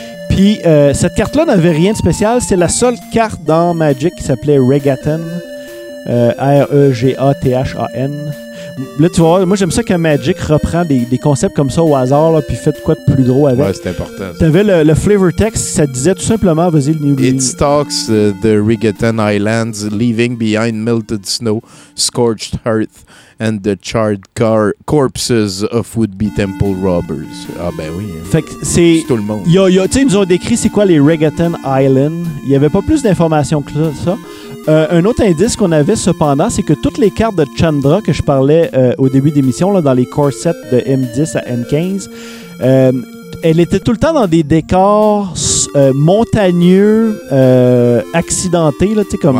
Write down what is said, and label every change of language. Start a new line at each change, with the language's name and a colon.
French: Puis cette carte-là n'avait rien de spécial. C'est la seule carte dans Magic qui s'appelait Regaton. R-E-G-A-T-H-A-N. Là, tu vois, moi, j'aime ça que Magic reprend des concepts comme ça au hasard, là, puis fait quoi de plus gros avec. Ouais, c'est important. Ça. T'avais le flavor text, ça disait tout simplement, vas-y, le
English: New. It stalks the Rigaton Islands, leaving behind melted snow, scorched earth, and the charred corpses of would-be temple robbers.
French: Ah, ben oui. Hein. Fait que c'est tout le monde. Tu sais, ils nous ont décrit c'est quoi les Rigaton Islands. Il n'y avait pas plus d'informations que ça. Un autre indice qu'on avait cependant, c'est que toutes les cartes de Chandra que je parlais au début d'émission, là, dans les core sets de M10 à M15, elle était tout le temps dans des décors montagneux, accidentés, là, tu sais, comme.